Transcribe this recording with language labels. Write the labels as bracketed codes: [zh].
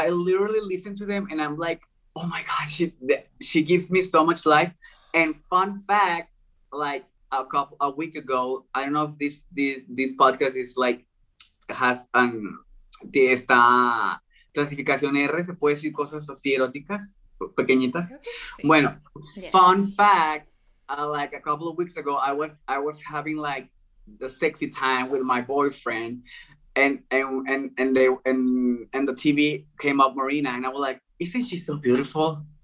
[en] I literally listen to them and I'm like, oh my gosh, she gives me so much life. And fun fact, like a week ago, I don't know if this podcast is like, has an... [es] de esta clasificación R, se puede decir cosas así eróticas, pequeñitas. Sí. Bueno, yeah. [en] Fun fact, like a couple of weeks ago, I was having like the sexy time with my boyfriend and the TV came up Marina and I was like, isn't she so beautiful?